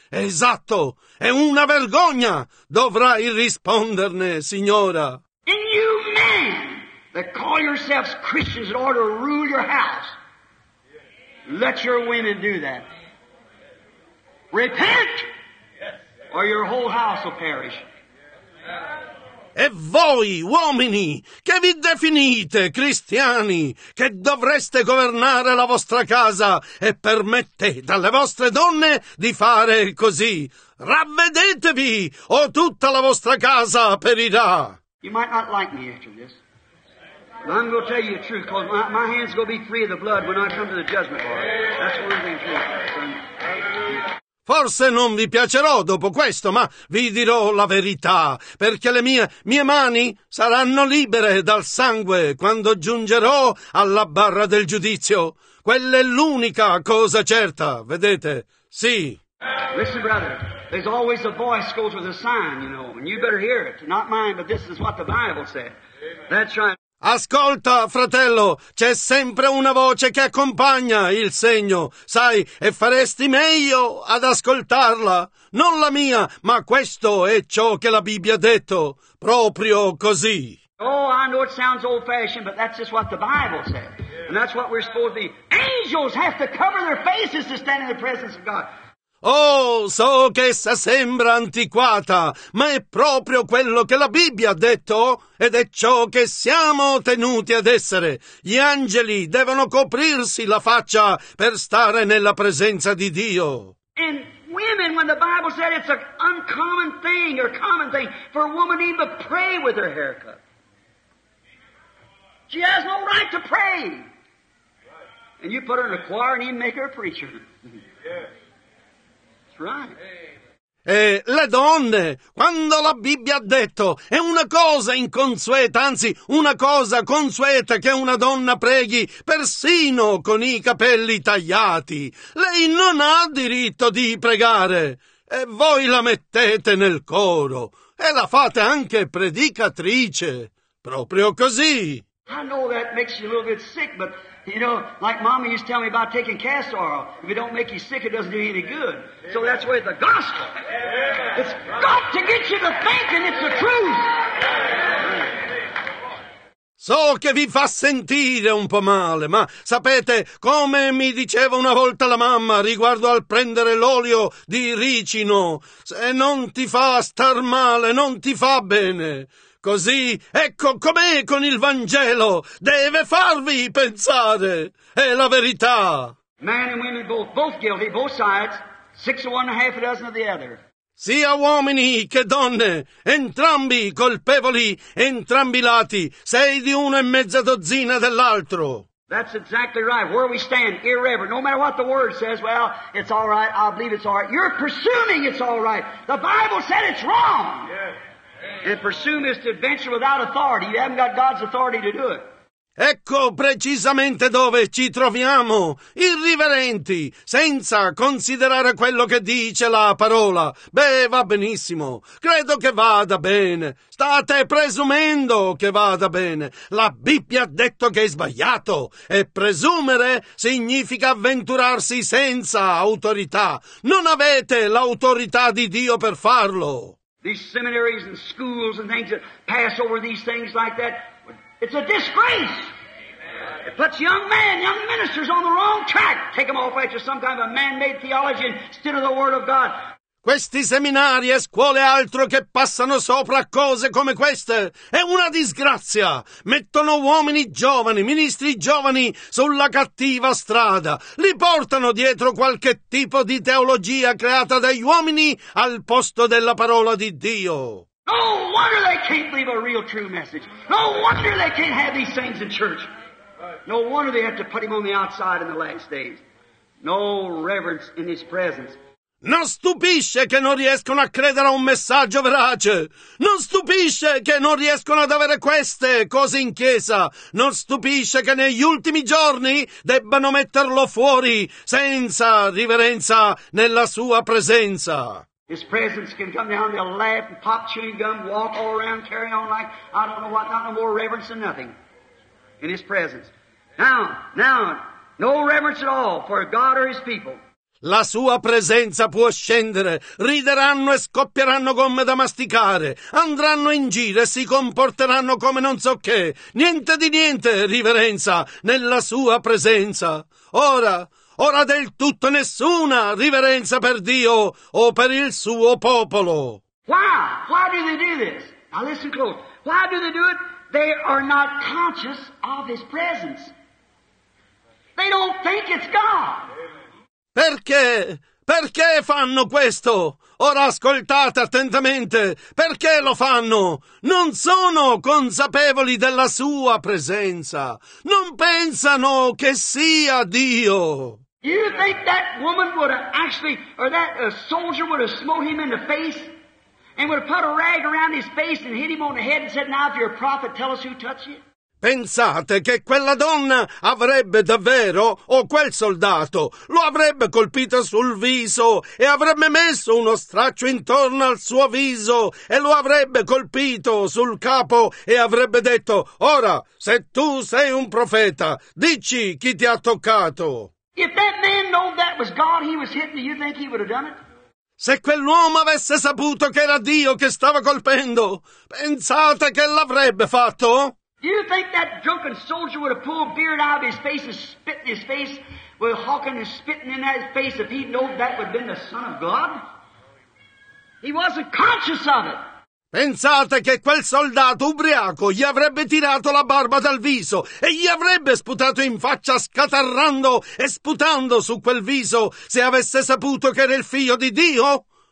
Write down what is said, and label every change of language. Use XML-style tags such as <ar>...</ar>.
<it>Esatto, è una vergogna. Dovrai risponderne, signora.</it> <en>And you men that call yourselves Christians in order to rule your house, let your women do that. Repent, or your whole house will perish.</en> <it>E voi, uomini, che vi definite cristiani, che dovreste governare la vostra casa e permettete alle vostre donne di fare così, ravvedetevi, o tutta la vostra casa perirà.</it> <en>You might not like me after this. But I'm going to tell you the truth, because my hands are going to be free of the blood when I come to the judgment bar. That's the one thing true.</en> <it>Forse non vi piacerò dopo questo, ma vi dirò la verità, perché le mie mani saranno libere dal sangue quando giungerò alla barra del giudizio. Quella è l'unica cosa certa, vedete? Sì.</it> <en>Listen, brother, there's always a voice goes with a sign, you know, and you better hear it. Not mine, but this is what the Bible said. That's right.</en> <it>Ascolta, fratello, c'è sempre una voce che accompagna il segno, sai, e faresti meglio ad ascoltarla. Non la mia, ma questo è ciò che la Bibbia ha detto, proprio così.</it> <en>Oh, I know it sounds old-fashioned, but that's just what the Bible said. And that's what we're supposed to be. Angels have to cover their faces to stand in the presence of God.</en> <it>Oh, so che essa sembra antiquata, ma è proprio quello che la Bibbia ha detto ed è ciò che siamo tenuti ad essere. Gli angeli devono coprirsi la faccia per stare nella presenza di Dio.</it> <en>And women, when the Bible said it's an uncommon thing or common thing for a woman even to pray with her hair cut. She has no right to pray. And you put her in a choir and even make her a preacher.</en> <it>E le donne, quando la Bibbia ha detto, è una cosa inconsueta, anzi una cosa consueta che una donna preghi persino con i capelli tagliati. Lei non ha diritto di pregare e voi la mettete nel coro e la fate anche predicatrice, proprio così.</it> <en>I know that makes you a little bit sick, but you know, like Mama used to tell me about taking castor oil. If it don't make you sick, it doesn't do you any good. So that's where the gospel. It's got to get you to thinking it's the truth.</en> <it>So che vi fa sentire un po' male, ma sapete come mi diceva una volta la mamma riguardo al prendere l'olio di ricino? Se non ti fa star male, non ti fa bene. Così, ecco com'è con il Vangelo, deve farvi pensare, è la verità.</it> <en>Man and women both guilty, both sides, six of one and a half a dozen of the other.</en> <it>Sia uomini che donne, entrambi colpevoli, entrambi lati, sei di uno e mezza dozzina dell'altro.</it> <en>That's exactly right, where we stand, irreverent, no matter what the word says, well, it's all right, I believe it's all right, you're presuming it's all right, the Bible said it's wrong. Yeah. And presume is to venture without authority. You haven't got God's authority to do it.</en> <it>Ecco precisamente dove ci troviamo, irriverenti, senza considerare quello che dice la parola. Beh, va benissimo, credo che vada bene. State presumendo che vada bene. La Bibbia ha detto che è sbagliato, e presumere significa avventurarsi senza autorità. Non avete l'autorità di Dio per farlo.</it> <en>These seminaries and schools and things that pass over these things like that, it's a disgrace. It puts young ministers on the wrong track. Take them off after some kind of a man-made theology instead of the Word of God.</en> <it>Questi seminari e scuole altro che passano sopra cose come queste è una disgrazia. Mettono uomini giovani, ministri giovani sulla cattiva strada. Li portano dietro qualche tipo di teologia creata dagli uomini al posto della parola di Dio.</it> <en>No wonder they can't believe a real true message. No wonder they can't have these things in church. No wonder they have to put him on the outside in the last days. No reverence in his presence.</en> <it>Non stupisce che non riescono a credere a un messaggio verace. Non stupisce che non riescono ad avere queste cose in chiesa. Non stupisce che negli ultimi giorni debbano metterlo fuori senza riverenza nella sua presenza.</it> <en>His presence can come down, they'll laugh and pop chewing gum, walk all around, carry on like I don't know what, not no more reverence than nothing in his presence. Now, no reverence at all for God or his people.</en> <it>La sua presenza può scendere, rideranno e scoppieranno gomme da masticare, andranno in giro e si comporteranno come non so che. Niente di niente riverenza nella sua presenza. Ora del tutto nessuna riverenza per Dio o per il suo popolo.</it> <en>Why do they do this? Now listen close. Why do they do it? They are not conscious of his presence. They don't think it's God.</en> <it>Perché? Perché fanno questo? Ora ascoltate attentamente. Perché lo fanno? Non sono consapevoli della sua presenza. Non pensano che sia Dio.</it> <en>You think that woman would have actually, or that soldier would have smote him in the face and would have put a rag around his face and hit him on the head and said, now if you're a prophet, tell us who touched you?</en> <it>Pensate che quella donna avrebbe davvero, o quel soldato, lo avrebbe colpito sul viso e avrebbe messo uno straccio intorno al suo viso e lo avrebbe colpito sul capo e avrebbe detto: ora, se tu sei un profeta, dici chi ti ha toccato.</it> <en>If that man knew that was God he was hitting, do you think he would have done it?</en> <it>Se quell'uomo avesse saputo che era Dio che stava colpendo, pensate che l'avrebbe fatto?</it> <en>Do you think that drunken soldier would have pulled beard out of his face and spit in his face with Hawking and spitting in that face if he'd known that would have been the Son of God? He wasn't conscious of it.</en> <it>Pensate che quel soldato ubriaco gli avrebbe tirato la barba dal viso e gli avrebbe sputato in faccia scatarrando e sputando su quel viso se avesse saputo che era il figlio di Dio?</it>